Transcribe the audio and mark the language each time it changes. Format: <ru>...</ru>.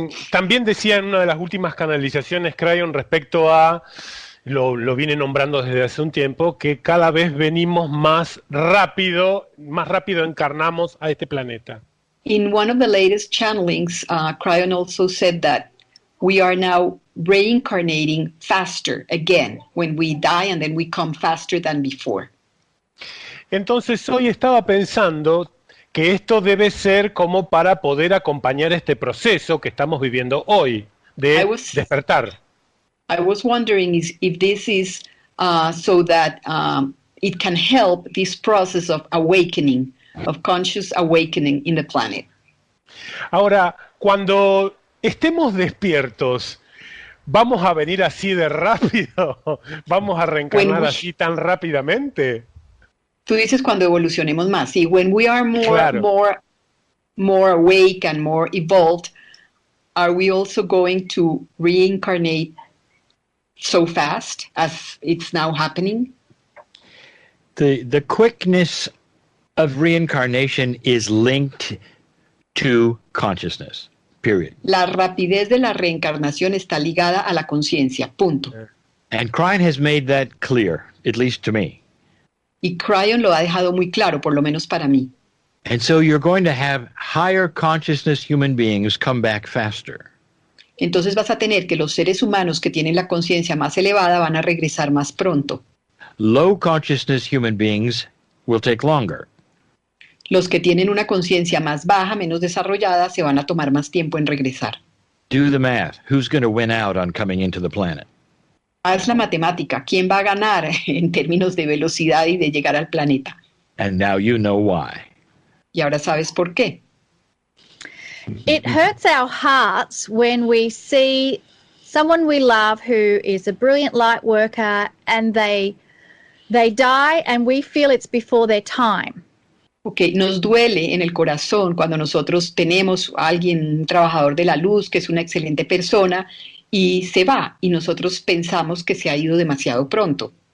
<es>También decía en una de las últimas canalizaciones Crayon respecto a lo viene nombrando desde hace un tiempo, que cada vez venimos más rápido encarnamos a este planeta.</es> <en>In one of the latest channelings, Crayon also said that we are now reincarnating faster again when we die, and then we come faster than before.</en> <es>Entonces hoy estaba pensando que esto debe ser como para poder acompañar este proceso que estamos viviendo hoy de despertar.</es> <en>I was wondering if this is so that it can help this process of awakening, of conscious awakening in the planet.</en> <es>Ahora, cuando estemos despiertos, ¿vamos a venir así de rápido? ¿Vamos a reencarnar así tan rápidamente? Tú dices cuando evolucionemos más. Sí,</es> <en>when we are more,</en> <es>claro.</es> <en>more awake and more evolved, are we also going to reincarnate so fast as it's now happening? The quickness of reincarnation is linked to consciousness, period.</en> <es>La rapidez de la reencarnación está ligada a la conciencia, punto.</es> <en>And Crayon has made that clear, at least to me.</en> <es>Y Crayon lo ha dejado muy claro, por lo menos para mí.</es> <en>And so you're going to have higher consciousness human beings come back faster.</en> <es>Entonces vas a tener que los seres humanos que tienen la conciencia más elevada van a regresar más pronto.</es> <en>Low consciousness human beings will take longer.</en> <es>Los que tienen una conciencia más baja, menos desarrollada, se van a tomar más tiempo en regresar.</es> <en>Do the math. Who's going to win out on coming into the planet?</en> <es>Haz la matemática. ¿Quién va a ganar en términos de velocidad y de llegar al planeta?</es> <en>And now you know why.</en> <es>Y ahora sabes por qué.</es> <en>It hurts our hearts when we see someone we love who is a brilliant light worker and they die and we feel it's before their time.</en> <es>Okay, nos duele en el corazón cuando nosotros tenemos a alguien, un trabajador de la luz que es una excelente persona, y se va, y nosotros pensamos que se ha ido demasiado pronto.</es>